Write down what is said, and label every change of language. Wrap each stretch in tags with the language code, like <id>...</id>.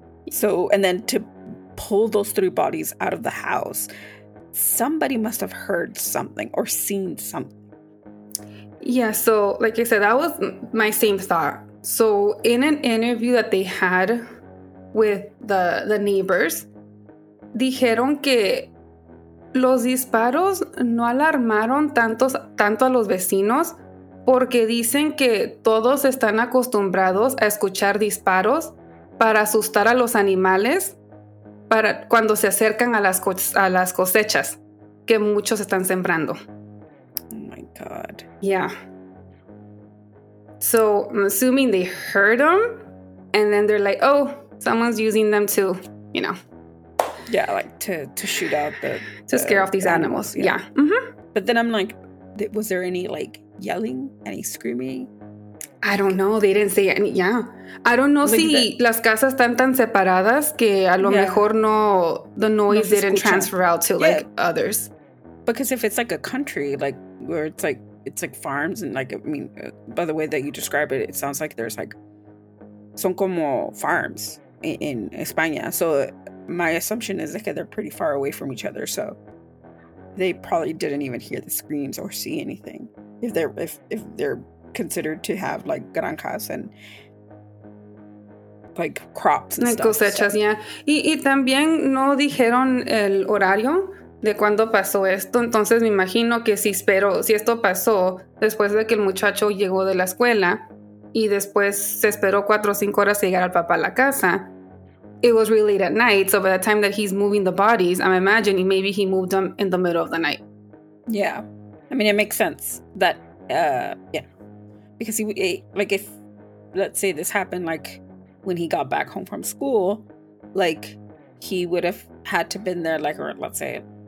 <en>So, and then to pull those 3 bodies out of the house, somebody must have heard something or seen something. Yeah, so, like I said, that was my same thought. So, in an interview that they had with the neighbors,</en> <es>dijeron que... Los disparos no alarmaron tanto a los vecinos porque dicen que todos están acostumbrados a escuchar disparos para asustar a los animales para cuando se acercan a las cosechas que muchos están sembrando.</es> <en>Oh my God. Yeah. So I'm assuming they heard them and then they're like, oh, someone's using them to, you know. Yeah, like to shoot out the... To scare off these animals. Yeah. Mm-hmm. But then I'm like, was there any, like, yelling? Any screaming? I don't know. They didn't say any... Yeah. I don't know like</en> <es>las casas están tan separadas que a lo mejor no...</es> <en>The noise didn't transfer out to, like, others. Because if it's, like, a country, like, where it's, like, farms and, like, I mean, by the way that you describe it, it sounds like there's, like...</en> <es>Son como</es> <en>farms in</en> <es>España. So...</es> <en>My assumption is that they're pretty far away from each other, so they probably didn't even hear the screams or see anything. If they're considered to have like granjas and like crops and stuff.</en> <es>Cosechas,</es> <en>so.</en> <es>Y también no dijeron el horario de cuando pasó esto. Entonces me imagino que si esto pasó después de que el muchacho llegó de la escuela y después se esperó 4 o 5 horas a llegar al papá a la casa.</es> <en>It was really late at night, so by the time that he's moving the bodies, I'm imagining maybe he moved them in the middle of the night. Yeah. I mean, it makes sense that, because let's say this happened, like, when he got back home from school, like, he would have had to been there, like, or let's say</en>